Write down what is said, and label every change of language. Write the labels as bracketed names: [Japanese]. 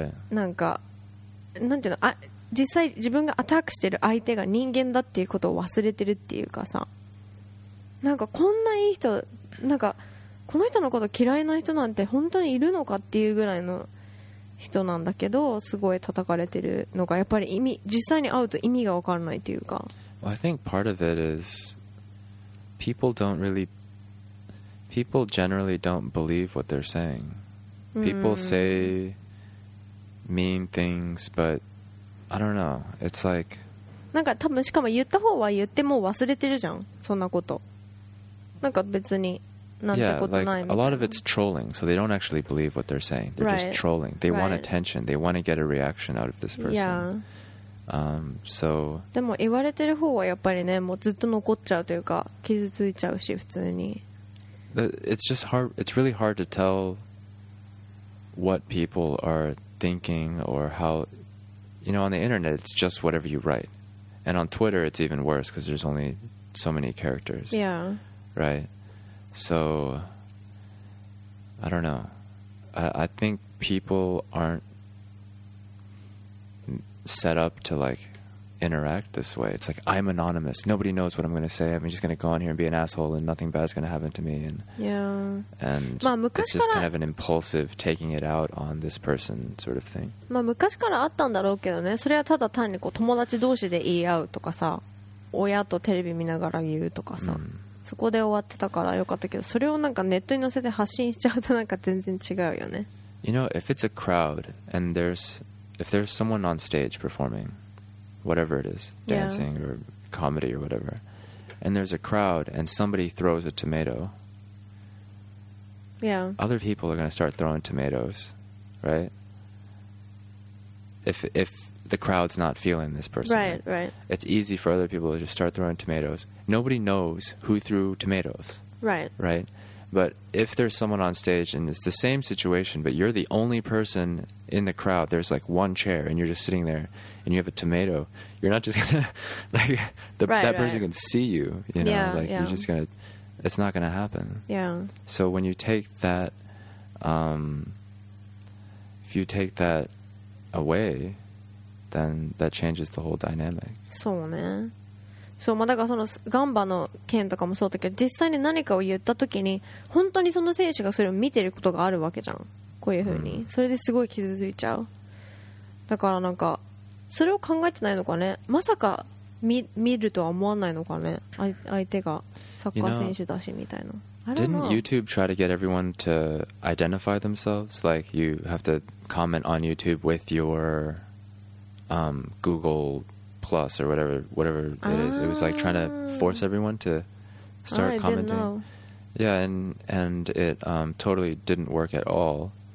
[Japanese] なんかなんていうの、あ実際自分がアタックしてる相手が人間だっていうことを忘れてるっていうかさ、なんかこんないい人、なんかこの人のこと嫌いな人なんて本当にいるのかっていうぐらいの人なんだけど、すごい叩かれてるのがやっぱり意味、実際に会うと意味が分からないっていうか。 [English] Well, I think part of it is people generally don't believe what they're saying. People say mean things, but I don't know. It's like, [Japanese] なんか多分しかも言った方は言っても忘れてるじゃん、そんなこと。なんか別になんてことないみたいな。 [English] Yeah, like a lot of it's trolling, so they don't actually believe what they're saying. They're just trolling. They want attention. They want to get a reaction out of this person. Yeah. So, [Japanese] でも言われてる方はやっぱりね、もうずっと残っちゃうというか、傷ついちゃうし普通に。 [English] It's just hard. It's really hard to tell what people are thinking or how, you know, on the internet it's just whatever you write, and on Twitter it's even worse because there's only so many characters. Yeah. Right. So I don't know. I think people aren't set up to like interact this way. It's like I'm anonymous. Nobody knows what I'm going to say. I'm just going to go on here and be an asshole and nothing bad is going to happen to me. And, yeah. And it's just kind of an impulsive taking it out on this person sort of thing. [Japanese] まあ昔からあったんだろうけどね。それはただ単にこう友達同士で言い合うとかさ、親とテレビ見ながら言うとかさ、そこで終わってたからよかったけど、それをなんかネットに載せて発信しちゃうとなんか全然違うよね。 [English] You know, if it's a crowd and if there's someone on stage performing,whatever it is, dancing or comedy or whatever, and there's a crowd and somebody throws a tomato, other people are going to start throwing tomatoes, right? If the crowd's not feeling this person, right. It's easy for other people to just start throwing tomatoes. Nobody knows who threw tomatoes, right? But if there's someone on stage and it's the same situation, but you're the only person in the crowd, there's like one chair and you're just sitting there and you have a tomato, you're not just gonna, like, that person can see you, you know, you're just gonna, it's not gonna happen. Yeah. So when you take that, if you take that away, then that changes the whole dynamic. [Japanese] そうね。そう、まあ、だからそのガンバの件とかもそうだけど、実際に何かを言った時に本当にその選手がそれを見てることがあるわけじゃん、こういう風に、それですごい傷ついちゃう。だからなんかそれを考えてないのかね、まさか 見るとは思わないのかね、相手がサッカー選手だしみたいな。 [English] Didn't YouTube try to get everyone to identify themselves? Like you have to comment on YouTube with your Google Plus or whatever it is. It was like trying to force everyone to start commenting. Yeah, and it totally didn't work at all.